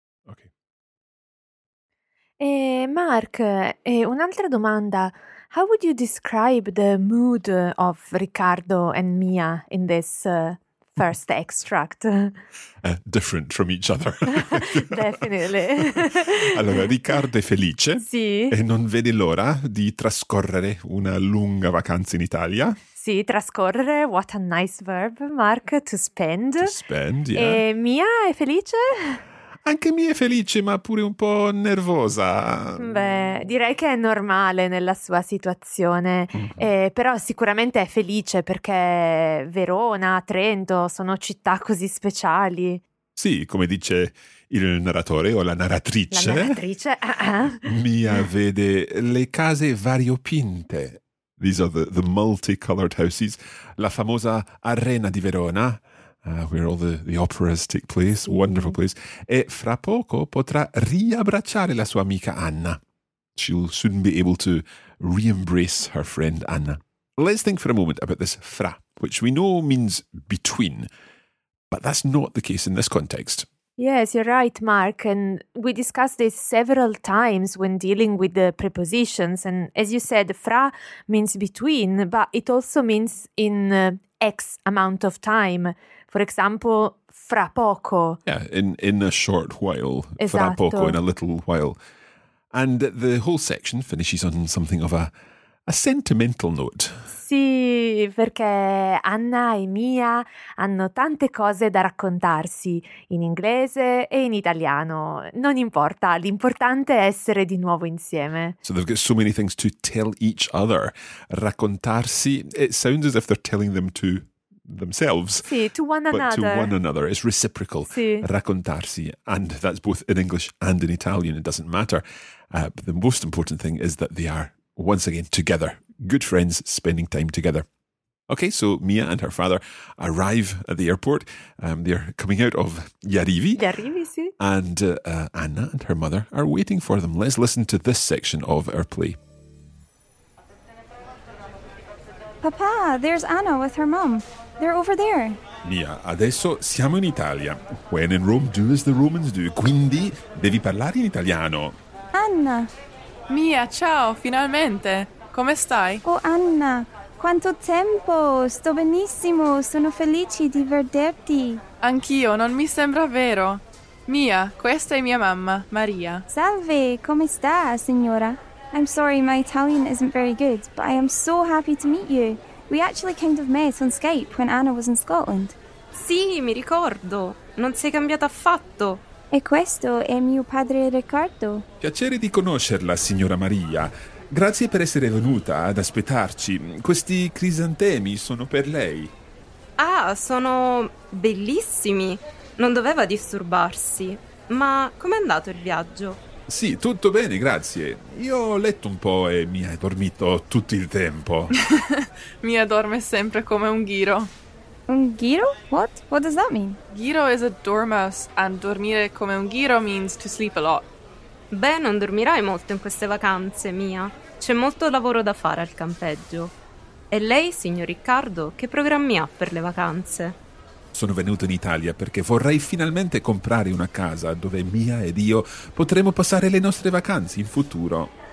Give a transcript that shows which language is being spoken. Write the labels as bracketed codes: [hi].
[en] Okay. [it] Mark, un'altra domanda. [en] How would you describe the mood of Riccardo and Mia in this first extract. Different from each other. Definitely. [it] Allora, Riccardo è felice. Sì. E non vede l'ora di trascorrere una lunga vacanza in Italia. Sì, trascorrere. [en] What a nice verb, Mark. To spend. To spend, yeah. [it] E Mia è felice? Anche Mia è felice, ma pure un po' nervosa. Beh, direi che è normale nella sua situazione, però sicuramente è felice perché Verona, Trento sono città così speciali. Sì, come dice il narratore o la narratrice. La narratrice. Mia vede le case variopinte. [en] These are the multicolored houses. [it] La famosa Arena di Verona. [en] Where all the operas take place, wonderful place. [it] E fra poco potrà riabbracciare la sua amica Anna. [en] She'll soon be able to re-embrace her friend Anna. Let's think for a moment about this fra, which we know means between, but that's not the case in this context. Yes, you're right, Mark. And we discussed this several times when dealing with the prepositions. And as you said, fra means between, but it also means in X amount of time. For example, [it] fra poco. [en] Yeah, in a short while. [it] Esatto. Fra poco, [en] in a little while. And the whole section finishes on something of a sentimental note. [it] Sì, perché Anna e Mia hanno tante cose da raccontarsi, in inglese e in italiano. Non importa, l'importante è essere di nuovo insieme. [en] So they've got so many things to tell each other. Raccontarsi, it sounds as if they're telling them to themselves. Sì, to one another. But to one another. It's reciprocal. [it] Sì. Raccontarsi. [en] And that's both in English and in Italian. It doesn't matter. But the most important thing is that they are, once again, together. Good friends spending time together. Okay, so Mia and her father arrive at the airport. They're coming out of Yarivi. [it] Yarivi, sì. [en] And Anna and her mother are waiting for them. Let's listen to this section of our play. Papà, there's Anna with her mom. They're over there. [it] Mia, adesso siamo in Italia. [en] When in Rome, do as the Romans do. [it] Quindi devi parlare in italiano. Anna. Mia, ciao, finalmente. Come stai? Oh, Anna, quanto tempo. Sto benissimo. Sono felice di vederti. Anch'io, non mi sembra vero. Mia, questa è mia mamma, Maria. Salve, come sta, signora? [en] I'm sorry, my Italian isn't very good, but I am so happy to meet you. We actually kind of met on Skype when Anna was in Scotland. [it] Sì, mi ricordo. Non sei cambiata affatto. E questo è mio padre Riccardo. Piacere di conoscerla, signora Maria. Grazie per essere venuta ad aspettarci. Questi crisantemi sono per lei. Ah, sono bellissimi. Non doveva disturbarsi. Ma com'è andato il viaggio? Sì, tutto bene, grazie. Io ho letto un po' e mi hai dormito tutto il tempo. Mia dorme sempre come un ghiro. [en] Un ghiro? What? What does that mean? Ghiro is a dormouse, and [it] dormire come un ghiro [en] means to sleep a lot. [it] Beh, non dormirai molto in queste vacanze, Mia. C'è molto lavoro da fare al campeggio. E lei, signor Riccardo, che programmi ha per le vacanze? Sono venuto in Italia perché vorrei finalmente comprare una casa dove Mia ed io potremo passare le nostre vacanze in futuro.